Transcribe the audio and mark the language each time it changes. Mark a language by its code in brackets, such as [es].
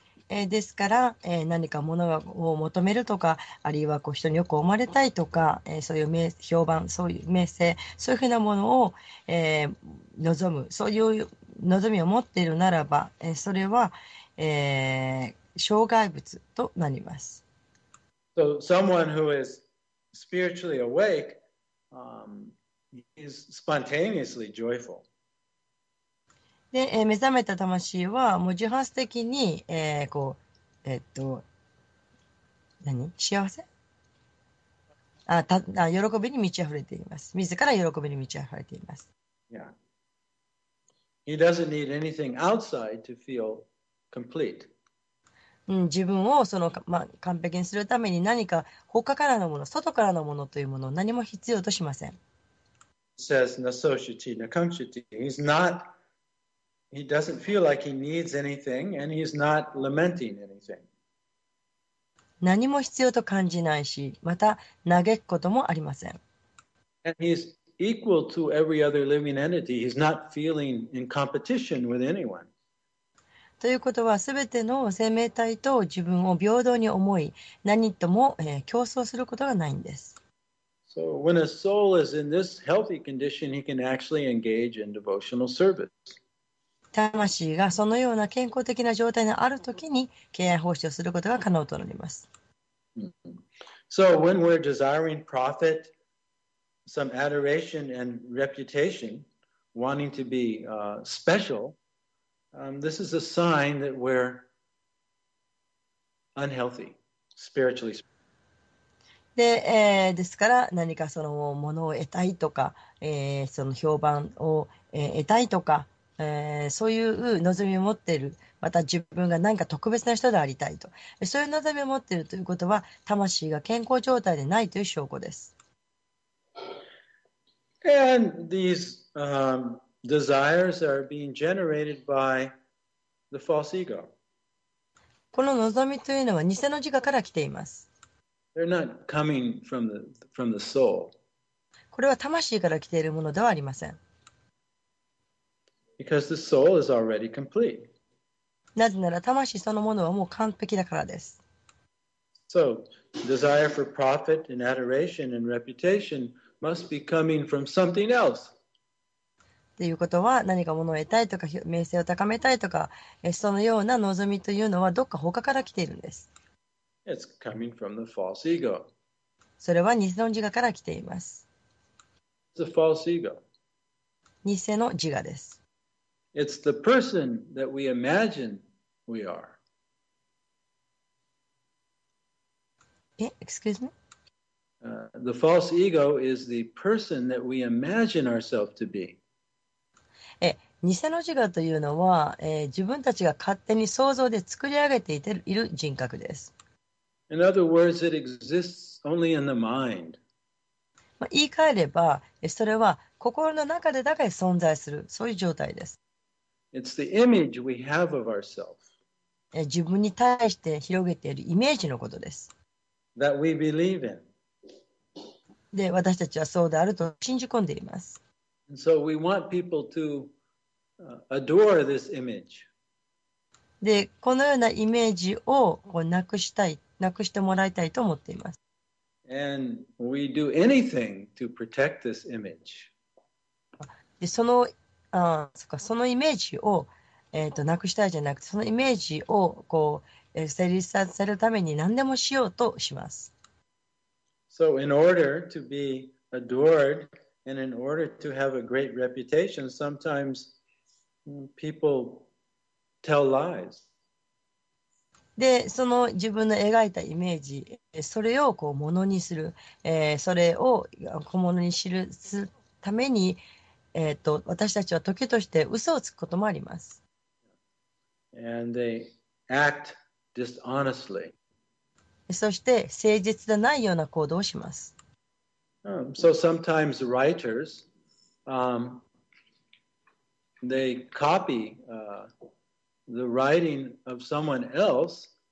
[ja] ですから、何か物を求めるとか、あるいはこう人によく思われたいとか、そういう名評判、そういう名声、そういうふうなものを、望む、そういう望みを持っているならば、それは、障害物となります。 [en] So someone who is spiritually awake, is spontaneously joyful. [ja] で、目覚めた魂はもう自発的に、こう、何？幸せ？あ、た、あ、喜びに満ち溢れています。自ら喜びに満ち溢れています。 [en] Yeah. He doesn't need anything outside to feel complete. [ja] 自分をその、まあ、完璧にするために何か他からのもの、外からのものというものを何も必要としません。 [sa] Says nasoshiti nakamshiti. [en] He's not, he doesn't feel like he needs anything and he's not lamenting anything. [ja] 何も必要と感じないし、また嘆くこともありません。 [en] And he's equal to every other living entity. He's not feeling in competition with anyone. [ja] ということは、すべての生命体と自分を平等に思い、何とも、競争することがないんです。 [en] So when a soul is in this healthy condition, he can actually engage in devotional service. [ja] 魂がそのような健康的な状態のあるときに敬愛奉仕をすることが可能となります。 [en] So when we're desiring profit, some adoration and reputation, wanting to be special, this is a sign that we're unhealthy, spiritually speaking. [ja] で、ですから何かそのものを得たいとか、その評判を得たいとか、そういう望みを持っている、また自分が何か特別な人でありたいと、そういう望みを持っているということは、魂が健康状態でないという証拠です。 [en] And these, desires are being generated by the false ego. [ja] この望みというのは偽の自我から来ています。 [en] They're not coming from the soul. [ja] これは魂から来ているものではありません。 [en] Because the soul is already complete. [ja] なぜなら魂そのものはもう完璧だからです。 [en] So, desire for profit and adoration and reputation must be coming from something else. [ja] ということは何かものを得たいとか名声を高めたいとかそのような望みというのはどっか他から来ているんです。 [en] It's coming from the false ego. [ja] それは偽の自我から来ています。 [en] It's a false ego. [ja] 偽の自我です。 [en] It's the person that we imagine we are. Excuse me? The false ego is the person that we imagine ourselves to be. [ja] 偽の自我というのは、自分たちが勝手に想像で作り上げていている人格です。 [en] In other words, it exists only in the mind. [ja] 言い換えれば、それは心の中でだけ存在する、そういう状態です。 [en] It's the image we have of ourselves. [ja] 自分に対して広げているイメージのことです。 [en] That we believe in. [ja] で、私たちはそうであると信じ込んでいます。 [en] And so we want people to adore this image. [ja] で、このようなイメージをこうなくしたい。なくしてもらいたいと思っています。 [en] And we do anything to protect this image. [ja] そのあ、そっか、そのイメージを、なくしたいじゃなくて、そのイメージをこう、成立させるために何でもしようとします。 [en] So in order to be adored and in order to have a great reputation, sometimes people tell lies. [ja] で、その自分の描いたイメージ、それをこうものにする、それを小物に記すために、私たちは時として嘘をつくこともあります。 [en] And they act dishonestly. [ja] そして誠実でないような行動をします。 [en] So sometimes writers, they copy, the writing of someone else.